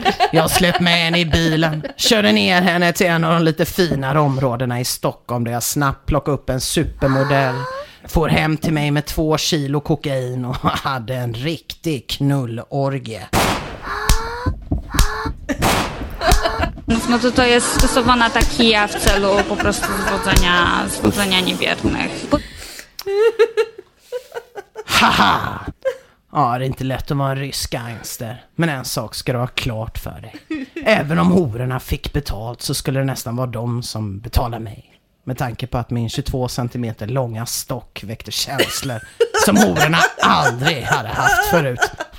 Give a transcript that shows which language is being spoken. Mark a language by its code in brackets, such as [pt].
[sv] Jag släpp med henne i bilen. Körde ner henne till en av de lite finare områdena i Stockholm där jag snabbt plockade upp en supermodell. Får hem till mig med 2 kilo kokain och hade en riktig knullorgie. [pl] No to, to jest stosowana ta kija w celu po prostu zwodzenia niewiernych. Haha! [sv] Ja, det är inte lätt att vara en rysk gangster. Men en sak ska du ha klart för dig. Även om hororna fick betalt så skulle det nästan vara de som betalade mig. Med tanke på att min 22 cm långa stock väckte känslor som hororna aldrig hade haft förut.